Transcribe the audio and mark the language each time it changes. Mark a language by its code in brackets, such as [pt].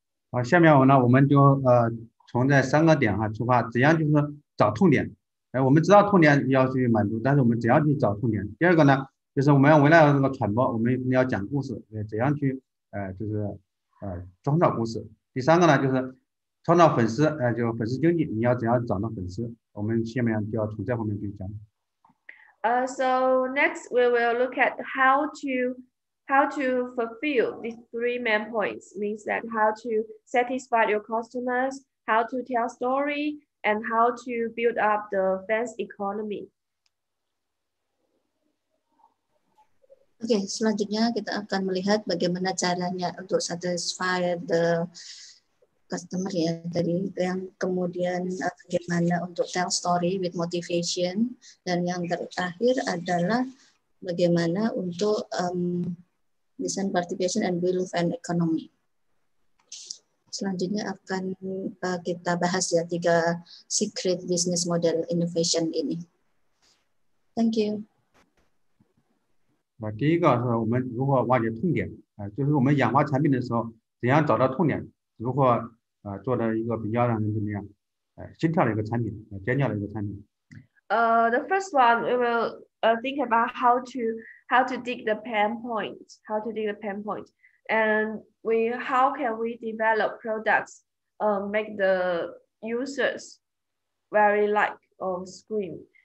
[zh] 好，下面我们就从这三个点哈出发，怎样就是找痛点？我们知道痛点要去满足，但是我们怎样去找痛点？第二个呢，就是我们要围绕这个传播，我们要讲故事，怎样去创造故事？第三个呢，就是创造粉丝，就粉丝经济，你要怎样找到粉丝？我们下面就要从这方面去讲。 [en] So next we will look at how to fulfill these three main points. Means that how to satisfy your customers, how to tell story, and how to build up the fans economy. [id] Okay, selanjutnya kita akan melihat bagaimana caranya untuk [en] satisfy the customer [id] ya, dari yang kemudian bagaimana untuk [en] tell story with motivation, [id] dan yang terakhir adalah bagaimana untuk [en] design participation and build fan economy. [id] Selanjutnya akan kita bahas ya tiga secret business model innovation ini. [en] Thank you. [zh] 第一个是我们如何挖掘痛点，就是我们研发产品的时候怎样找到痛点，如何做的一个比较让人怎么样，心跳的一个产品，尖叫的一个产品。 [en] The first one we will think about how to dig the pain point, how to dig the pain point, and how can we develop products, make the users very like on screen.